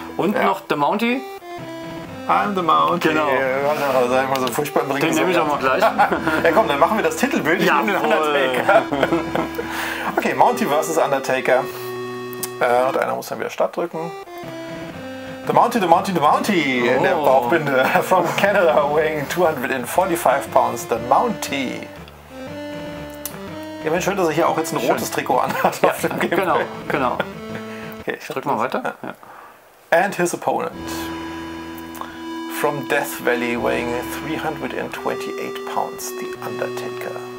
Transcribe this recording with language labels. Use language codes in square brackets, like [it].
[de] Und noch The Mountie. [en] I'm the Mountie. [de] Genau. Das ist einfach so furchtbar im Ring. Den nehme ich auch mal gleich. Ja, komm, dann machen wir das Titelbild. Ich nehme den Undertaker. Okay, Mountie vs. Undertaker. Und einer muss dann wieder Start drücken. The Mountie. In der Bauchbinde. [en] From Canada, weighing 245 pounds. The Mountie. [de] Ja, Mensch, schön, dass er hier auch jetzt ein rotes Trikot anhat. Ja, auf dem Gameplay. Genau. Okay, ich drück mal weiter. [en] Ja. And his opponent. From Death Valley, weighing 328 pounds, The Undertaker.